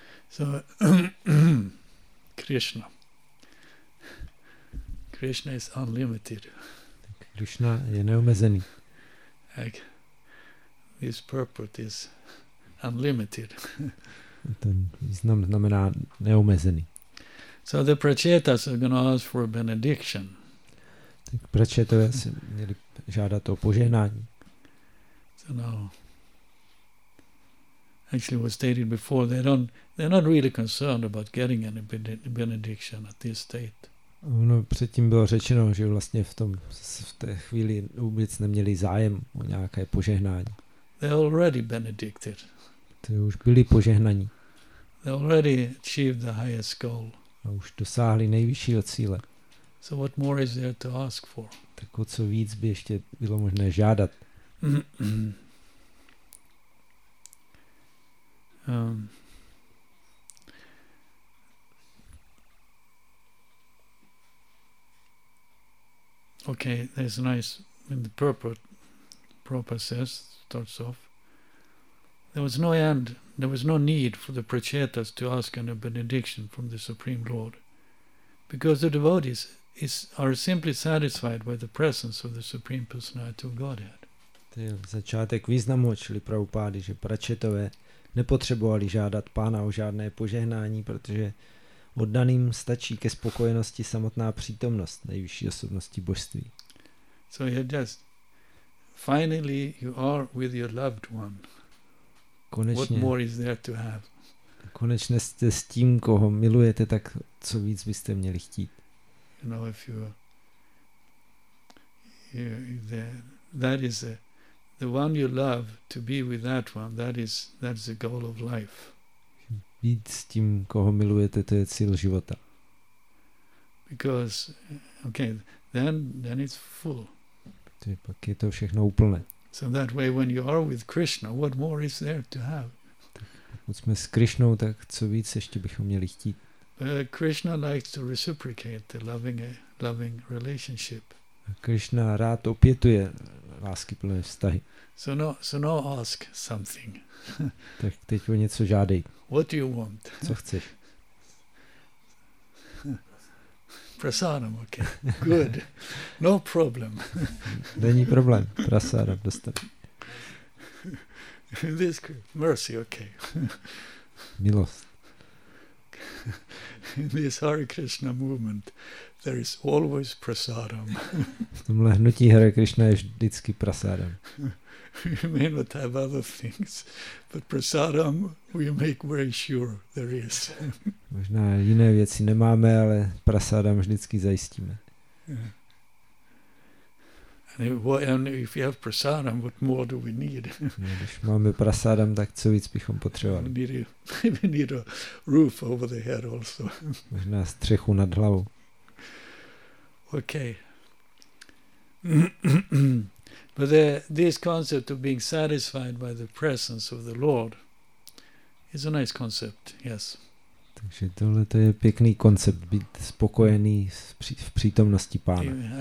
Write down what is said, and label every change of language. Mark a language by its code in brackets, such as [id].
[en] So, Krishna. Krishna is unlimited. [cs] Krishna je neomezený. [en] His purport is unlimited. [cs] Ten význam znamená neomezený. [en] So the Prachetas are going to ask for a benediction. [cs] Tak Prachetové si měli žádat o požehnání. [en] So now, actually what stated before, they're not really concerned about getting any benediction at this state. [cs] No, předtím bylo řečeno, že vlastně v té chvíli vůbec neměli zájem o nějaké požehnání. [en] They already benedicted. [cs] Ty už byli požehnaní. [en] They already achieved the highest goal. [cs] A už dosáhli nejvyššího cíle. [en] So what more is there to ask for? [cs] Tak o co víc by ještě bylo možné žádat? [en] Okay, there's nice in the purport. Prabhupada says, starts off. There was no end. There was no need for the Prachetas to ask any benediction from the Supreme Lord, because the devotees are simply satisfied with the presence of the Supreme Personality of Godhead. [cs] To je začátek významu, čili Prabhupády, že Prachetové nepotřebovali žádat Pána o žádné požehnání, protože oddaným stačí ke spokojenosti samotná přítomnost nejvyšší osobnosti božství. [en] So you're just finally you are with your loved one. [cs] Konečně, [en] what more is there to have? [cs] Konečně jste s tím, koho milujete, tak co víc byste měli chtít? [en] You know, if you're, that is the one you love, to be with that one, that's the goal of life. [cs] Být s tím, koho milujete, to je cíl života. [en] Because, okay, then it's full. [cs] Pak je to všechno úplné. [en] So that way, when you are with Krishna, what more is there to have? [cs] Pokud jsme s Krishnou, tak co víc ještě bychom měli chtít? [en] Krishna likes to reciprocate the loving relationship. [cs] Krishna rád opětuje láskyplné vztahy. [en] So no, ask something. [cs] Tak teď o něco žádej. [en] What do you want? [cs] Co chceš? [en] Prasadam, okay. Good. No problem. [cs] Není problém. Prasadam dostat. [en] This mercy, okay. [cs] Milost. [en] In this Hare Krishna movement, there is always prasadam. [cs] V tomhle hnutí Hare Krishna je vždycky prasadam. [en] We may not have other things, but prasadam we make very sure there is. [cs] Možná jiné věci nemáme, ale prasadam vždycky zajistíme. [en] And if we have prasadam, what more do we need? [cs] Když máme prasadam, tak co víc bychom potřebovali? [en] We need a roof over the head also. [cs] Možná střechu nad hlavou. [en] Okay. But this concept of being satisfied by the presence of the Lord is a nice concept, yes. [cs] Takže tohle to je pěkný koncept, být spokojený v přítomnosti Pána.